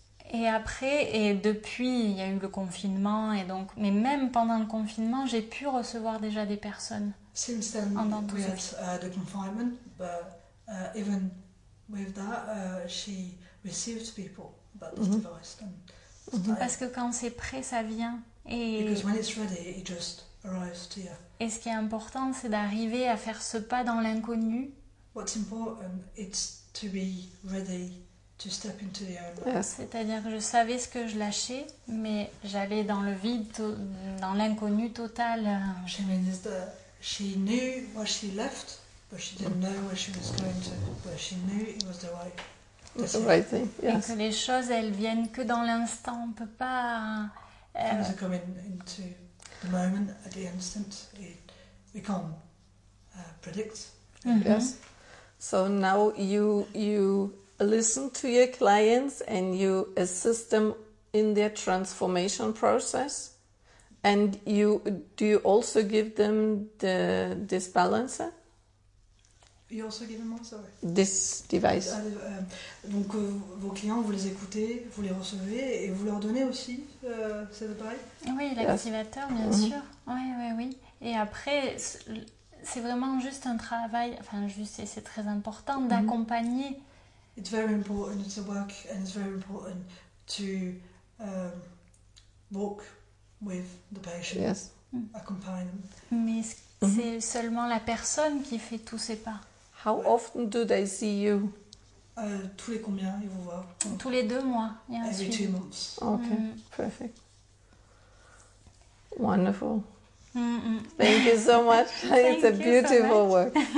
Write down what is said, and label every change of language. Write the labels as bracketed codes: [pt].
[fr] Et après, et depuis, il y a eu le confinement. Et donc, mais même pendant le confinement, j'ai pu recevoir déjà des personnes. [en] Since then, en we had the confinement, but even with that, she received people about this device. And [fr] parce que quand c'est prêt, ça vient. Et [en] because when it's ready, it just arrives to you. [fr] Et ce qui est important, c'est d'arriver à faire ce pas dans l'inconnu. [en] What's important, it's to be ready to step into the unknown. Yes. [fr] C'est-à-dire que je savais ce que je lâchais, mais j'allais dans le vide, dans l'inconnu total. [en] She means that she knew what she left, but she didn't know where she was going to. But she knew it was the right decision. The right thing, yes. [fr] Et que les choses, elles viennent que dans l'instant. On ne peut pas... [en] Things are coming into... the moment, at the instant, we can't predict. Mm-hmm. Yes. So now you listen to your clients and you assist them in their transformation process, and do you also give them the disbalancer? You also give them what, sorry? This device. [fr] Donc vos clients, vous les écoutez, vous les recevez et vous leur donnez aussi cet appareil. Oui, l'activateur, bien sûr. Oui. Et après, c'est vraiment juste un travail, enfin juste, et c'est très important d'accompagner. [en] It's very important to work and it's very important to walk with the patient. Yes. Accompany them. [fr] Mais c'est seulement la personne qui fait tous ces pas. [en] How often do they see you? [fr] Tous les combien ils vous voient? Tous les deux mois. [en] Every 2 months. Okay, perfect. Wonderful. Thank you so much. It's a beautiful work.